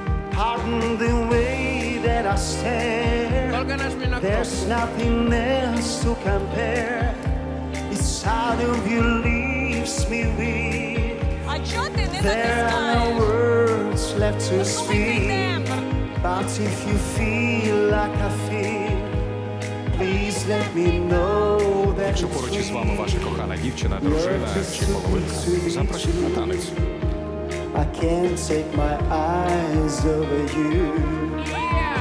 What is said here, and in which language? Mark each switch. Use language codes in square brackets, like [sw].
[en] Pardon the way that I stare. There's nothing else to compare. Out of you leaves me weak. There are no words left to speak. But if you feel like I feel, please let me know that [uk] якщо поруч із вами ваша кохана дівчина, дружина чи половинка, запросіть на танець. [en] I can't take my eyes over you.